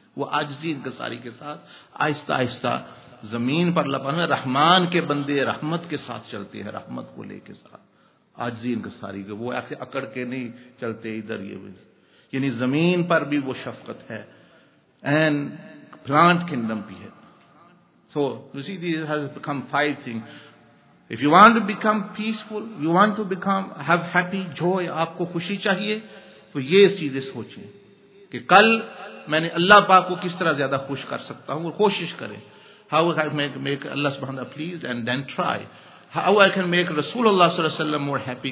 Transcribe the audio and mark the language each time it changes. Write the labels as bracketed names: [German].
[Urdu] وہ عاجزی انکساری کے ساتھ آہستہ آہستہ زمین پر لپانا, رحمان کے بندے رحمت کے ساتھ چلتے ہیں, رحمت کو لے کے ساتھ عاجزی انکساری کے, وہ ایسے اکڑ کے نہیں چلتے ادھر یہ بھی. یعنی زمین پر بھی وہ شفقت ہے, [English] and plant kingdom [Urdu] بھی ہے. [English] So you see, this has become five things. If you want to become peaceful, you want to become have happy joy, [Urdu] آپ کو خوشی چاہیے, تو یہ چیزیں سوچیں کہ کل میں نے اللہ پاک کو کس طرح زیادہ خوش کر سکتا ہوں, اور کوشش کریں. [English] How I can make Allah subhanahu wa ta'ala pleased, and then try. How I can make Rasulullah sallallahu alaihi wasallam more happy.